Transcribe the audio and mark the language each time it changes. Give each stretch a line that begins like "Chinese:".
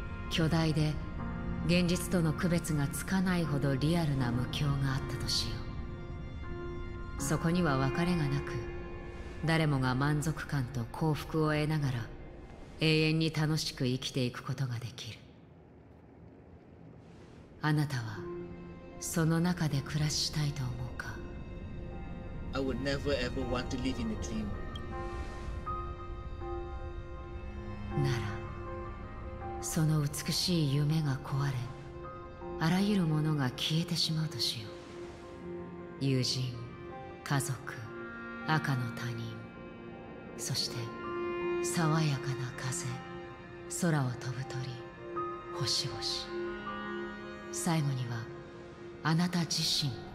Japanese: 巨大で現実との区別がつかないほどリアルな無境があったとしよう。そこには別れがなく、誰もが満足感と幸福を得ながら永遠に楽しく生きていくことができる。あなたはその中で暮らしたいと思うか？
English: I would never ever want to live in a dream.
Japanese: なら、その美しい夢が壊れ、あらゆるものが消えてしまうとしよう。友人、家族、赤の他人、そして爽やかな風、空を飛ぶ鳥、星々、最後にはあなた自身。